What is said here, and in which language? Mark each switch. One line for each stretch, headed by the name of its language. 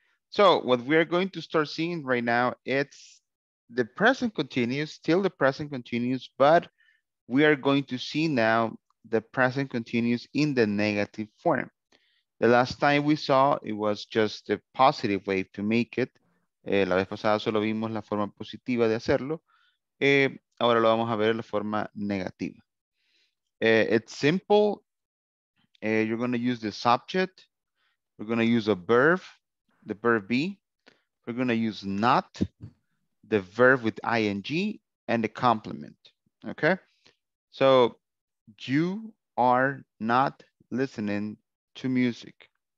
English: So what we're going to start seeing right now, it's the present continuous, still the present continuous, but we are going to see now the present continuous in the negative form. The last time we saw, it was just the positive way to make it.
Spanish: La vez pasada solo vimos la forma positiva de hacerlo. Ahora lo vamos a ver en la forma negativa.
English: It's simple. You're going to use the subject. We're going to use a verb, the verb be. We're going to use not, the verb with ing, and the complement. Okay? So, you are not listening to music.